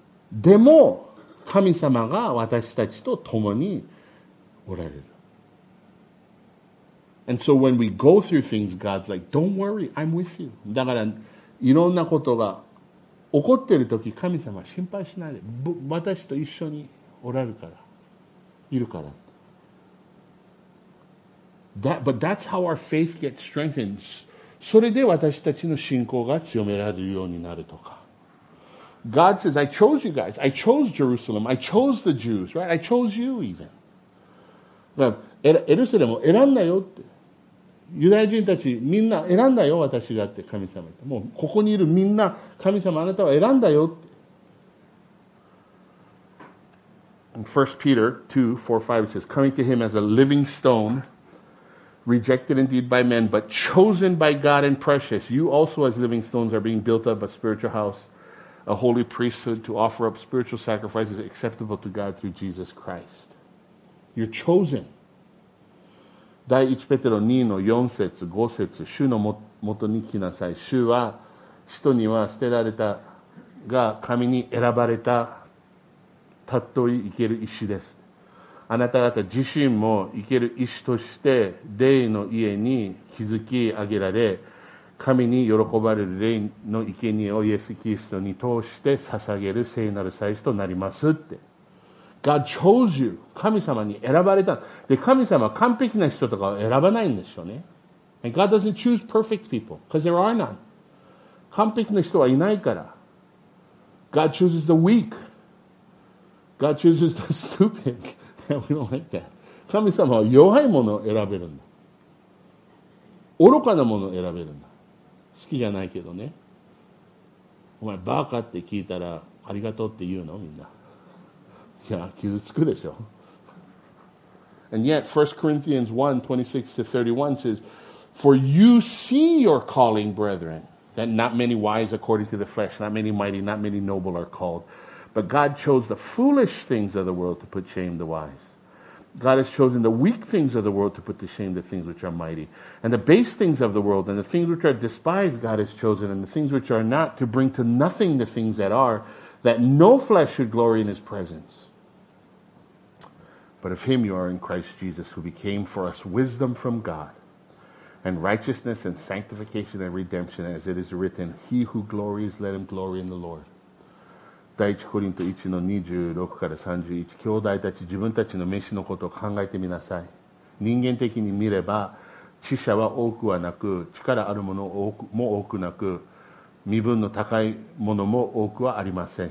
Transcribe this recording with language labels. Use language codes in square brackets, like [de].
[ja] でも神様が私たちと共におられる。 [en] And so when we go through things, God's like, don't worry, I'm with you. [ja] だからいろんなことが起こっているとき、神様は心配しないで、私と一緒におられるから、いるから。 [en] But that's how our faith gets strengthened. [ja] それで私たちの信仰が強められるようになるとか。 [en] God says, I chose you guys. I chose Jerusalem. I chose the Jews, right? I chose you even. [ja] エルサレムを選んだよって。ユダヤ人たちみんな選んだよ私がって神様って。もうここにいるみんな神様あなたは選んだよって。 [en] 1 Peter 2, 4, 5 says, coming to him as a living stone, rejected indeed by men, but chosen by God and precious. You also as living stones are being built up a spiritual house, a holy priesthood to offer up spiritual sacrifices acceptable to God through Jesus Christ. You're chosen. [ja] 第1ペテロ2の4節5節主のもとに来なさい。主は人には捨てられたが神に選ばれたたっとい生ける石です。あなた方自身も生ける石として霊の家に築き上げられ、神に喜ばれる霊の生贄をイエス・キリストに通して捧げる聖なる祭司となりますって。 [en] God chose you. [ja] 神様に選ばれた。で、神様は完璧な人とかを選ばないんですよね。 [en] And God doesn't choose perfect people, because there are none. [ja] 完璧な人はいないから。 [en] God chooses the weak. God chooses the stupid. We don't like that. [ja] 神様は弱いものを選べるんだ。愚かなものを選べるんだ。好きじゃないけどね。お前バカって聞いたらありがとうって言うの？みんな。いや、傷つくでしょ。 [en] And yet 1 Corinthians 1 26 to 31 says, for you see your calling, brethren, that not many wise according to the flesh, not many mighty, not many noble are called, but God chose the foolish things of the world to put shame the wise. God has chosen the weak things of the world to put to shame the things which are mighty, and the base things of the world, and the things which are despised God has chosen, and the things which are not, to bring to nothing the things that are, that no flesh should glory in his presence. But of him you are in Christ Jesus, who became for us wisdom from God, and righteousness and sanctification and redemption, as it is written, he who glories, let him glory in the Lord. [ja] 第1コリント1の26から31、兄弟たち自分たちの召しのことを考えてみなさい。人間的に見れば、知者は多くはなく、力あるものも多くなく、身分の高いものも多くはありません。